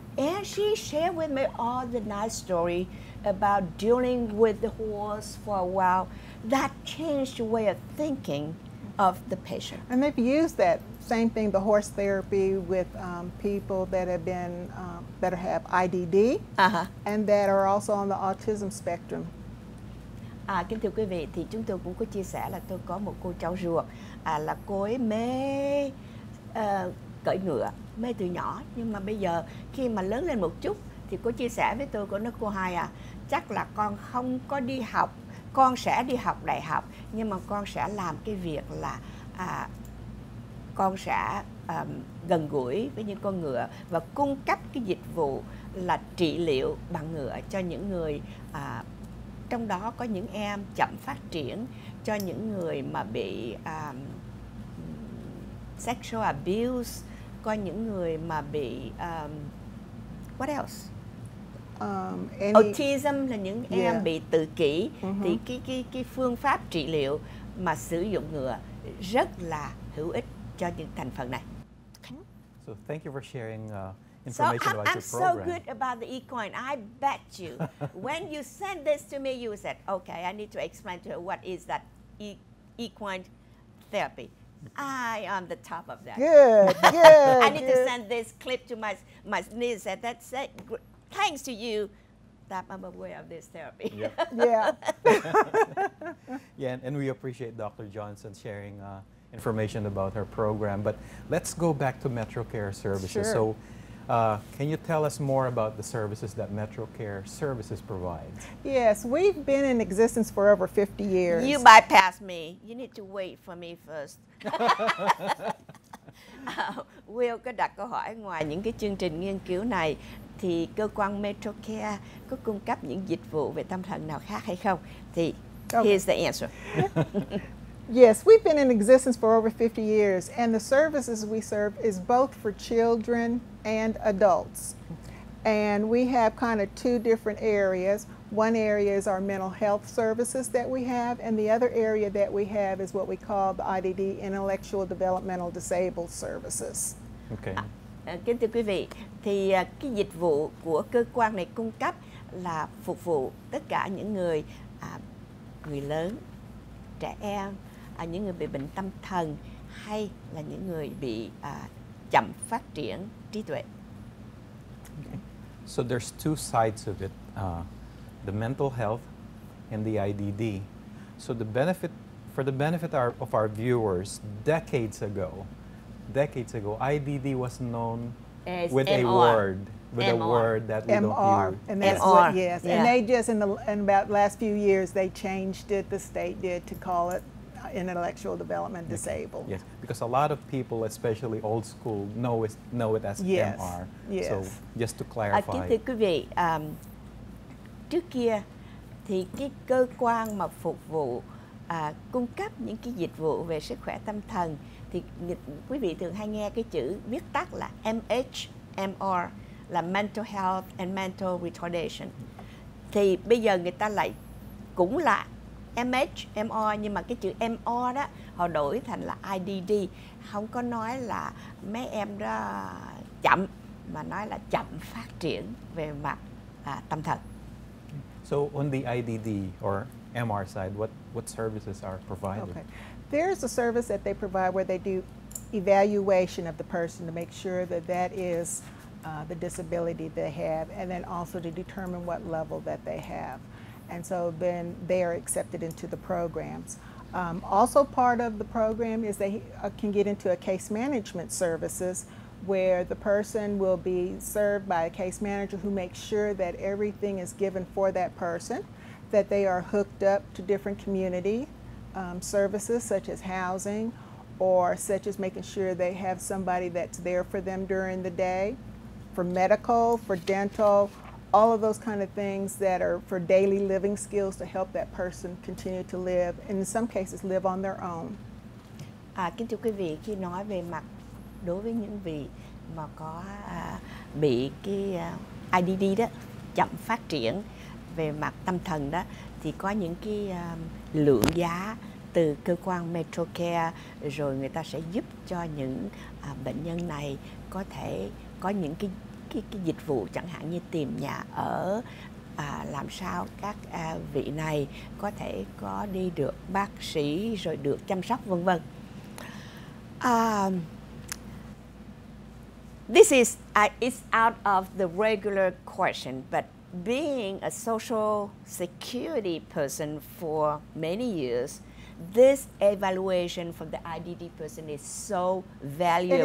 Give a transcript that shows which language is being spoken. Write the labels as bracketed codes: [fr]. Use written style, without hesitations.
[en] And she shared with me all the nice story about dealing with the horse for a while. That changed the way of thinking of the patient. And they've used that same thing, the horse therapy, with people that have been that have IDD, uh-huh, and that are also on the autism spectrum. [vi] Kính thưa quý vị, thì chúng tôi cũng có chia sẻ là tôi có một cô cháu ruột là cô ấy mê cưỡi ngựa, mê từ nhỏ, nhưng mà bây giờ khi mà lớn lên một chút thì cô chia sẻ với tôi, cô nói cô hai chắc là con không có đi học con sẽ đi học đại học, nhưng mà con sẽ làm cái việc là con sẽ gần gũi với những con ngựa và cung cấp cái dịch vụ là trị liệu bằng ngựa cho những người, trong đó có những em chậm phát triển, cho những người mà bị [en] sexual abuse, [vi] có những người mà bị [en] what else? [vi] Autism là những em bị tự kỷ. Thì cái phương pháp trị liệu mà sử dụng ngựa rất là hữu ích cho những thành phần này. [en] So thank you for sharing information about your program. I'm so good about the Ecoin. I bet you when you send this to me, you said, okay, I need to explain to her what is that Equine therapy. I am the top of that. Good. I need to send this clip to my niece. And that's it. Thanks to you that I'm aware of this therapy. Yeah, and we appreciate Dr. Johnson sharing information about her program. But let's go back to MetroCare services. Sure. So can you tell us more about the services that MetroCare services provides? Yes, we've been in existence for over 50 years. You bypass me. You need to wait for me first. [vi] Will có đặt câu hỏi, ngoài những cái chương trình nghiên cứu này thì cơ quan MetroCare có cung cấp những dịch vụ về tâm thần nào khác hay không? Thì [en] here's the answer. Yes, we've been in existence for over 50 years, and the services we serve is both for children and adults. And we have kind of two different areas. One area is our mental health services that we have, and the other area that we have is what we call the IDD, Intellectual Developmental Disabled Services. Okay. [vi] Kính thưa quý vị, thì cái dịch vụ của cơ quan này cung cấp là phục vụ tất cả những người, người lớn, trẻ em, những người bị bệnh tâm thần hay là những người bị chậm phát triển trí tuệ. [en] Okay. So there's two sides of it, the mental health and the IDD. So the benefit, for the benefit of our viewers, decades ago, IDD was known as with MR. A word. With MR. A word that we MR. Don't hear. And that's MR. What, yes. Yeah. And they just, in about last few years, they changed it, the state did, to call it intellectual development disabled. Yes, because a lot of people, especially old school, know it as yes. MR. Yes. So just to clarify. [vi] Kính thưa quý vị, trước kia thì cái cơ quan mà phục vụ cung cấp những cái dịch vụ về sức khỏe tâm thần thì quý vị thường hay nghe cái chữ viết tắt là MHMR, là [en] mental health and mental retardation. [vi] Thì bây giờ người ta lại cũng là MHMR, nhưng mà cái chữ MR đó họ đổi thành là IDD, không có nói là mấy em đó chậm, mà nói là chậm phát triển về mặt tâm thần. [en] So on the IDD or MR side, what services are provided? Okay. There's a service that they provide where they do evaluation of the person to make sure that that is the disability they have, and then also to determine what level that they have. And so then they are accepted into the programs. Also part of the program is they can get into a case management services where the person will be served by a case manager who makes sure that everything is given for that person, that they are hooked up to different community services such as housing, or such as making sure they have somebody that's there for them during the day, for medical, for dental, all of those kind of things that are for daily living skills to help that person continue to live, and in some cases live on their own. [vi] Kính thưa quý vị, khi nói về mặt đối với những vị mà có bị cái IDD đó, chậm phát triển về mặt tâm thần đó, thì có những cái lượng giá từ cơ quan MetroCare, rồi người ta sẽ giúp cho những bệnh nhân này có thể có những cái dịch vụ, chẳng hạn như tìm nhà ở, làm sao các vị này có thể có đi được bác sĩ rồi được chăm sóc vân vân. [en] This is it's out of the regular question, but being a social security person for many years, this evaluation from the IDD person is so valuable.